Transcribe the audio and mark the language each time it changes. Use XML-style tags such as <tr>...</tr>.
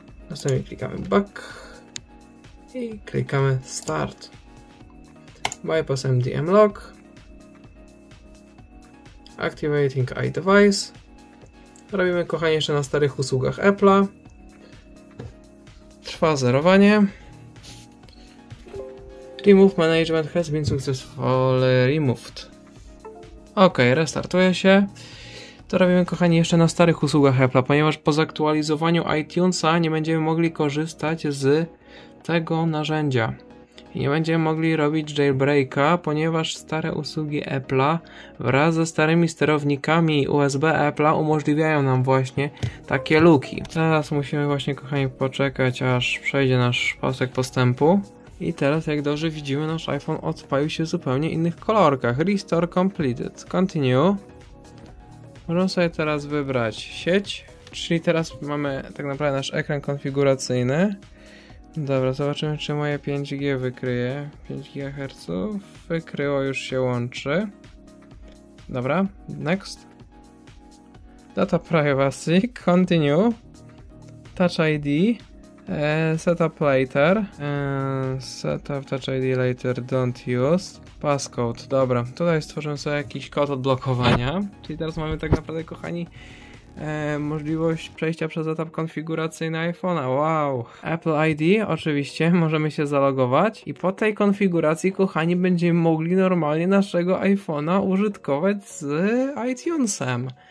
<pl>Następnie klikamy Back i klikamy Start.</pl> <en>Bypass MDM Lock. Activating iDevice.</en> <pl>Robimy, kochani, jeszcze na starych usługach Apple'a. Trwa zerowanie.</pl> <en>Remove management has been successfully removed.</en> <pl>Ok, restartuje się. To robimy, kochani, jeszcze na starych usługach Apple'a, ponieważ po zaktualizowaniu iTunes'a nie będziemy mogli korzystać z tego narzędzia. I nie będziemy mogli robić jailbreak'a, ponieważ stare usługi Apple'a wraz ze starymi sterownikami USB Apple'a umożliwiają nam właśnie takie luki. Teraz musimy właśnie, kochani, poczekać, aż przejdzie nasz pasek postępu. I teraz, jak dobrze widzimy, nasz iPhone odpalił się w zupełnie innych kolorkach.</pl> <en>Restore completed. Continue.</en> <pl>Możemy sobie teraz wybrać sieć, Czyli teraz mamy tak naprawdę nasz ekran konfiguracyjny. Dobra, zobaczymy, czy moje 5G wykryje. 5 GHz wykryło, już się łączy.</pl> <en>Dobra, next. Data privacy, continue. Touch ID. Setup later. Setup touch ID later, don't use.</en> <pl>Passcode, dobra. Tutaj stworzymy sobie jakiś kod odblokowania. Czyli teraz mamy tak naprawdę, kochani, możliwość przejścia przez etap konfiguracyjny iPhone'a. Wow! Apple ID, oczywiście, możemy się zalogować. I po tej konfiguracji, kochani, będziemy mogli normalnie naszego iPhone'a użytkować z iTunesem.</pl>